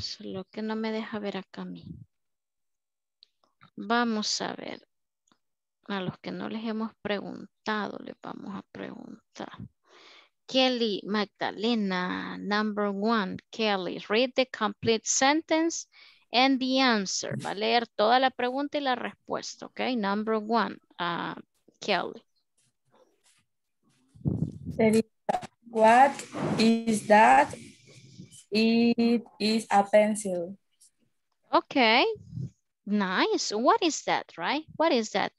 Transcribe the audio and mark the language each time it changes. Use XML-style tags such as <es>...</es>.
<es>Solo que no me deja ver acá a mí. Vamos a ver. A los que no les hemos preguntado, les vamos a preguntar.</es> <en>Kelly Magdalena, number one. Kelly, read the complete sentence and the answer.</en> <es>Va a leer toda la pregunta y la respuesta, ok?</es> <en>Number one, Kelly. What is that? It is a pencil. Ok. Nice. What is that, right? What is that?</en>